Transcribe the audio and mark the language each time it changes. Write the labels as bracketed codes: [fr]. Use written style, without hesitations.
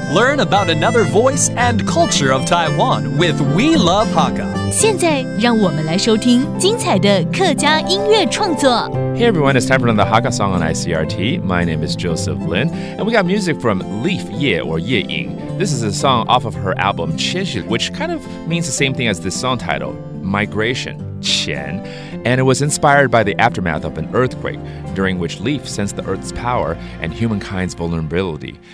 [en] Learn about another voice and culture of Taiwan with We Love Hakka。 [zh] 现在让我们来收听精彩的客家音乐创作。 [en] Hey everyone, it's time for another Hakka song on ICRT. My name is Joseph Lin, and we got music from Leaf Yeh or Yeing. This is a song off of her album 迁徙, which kind of means the same thing as this song title, Migration, 迁. And it was inspired by the aftermath of an earthquake, during which Leaf sensed the earth's power and humankind's vulnerability.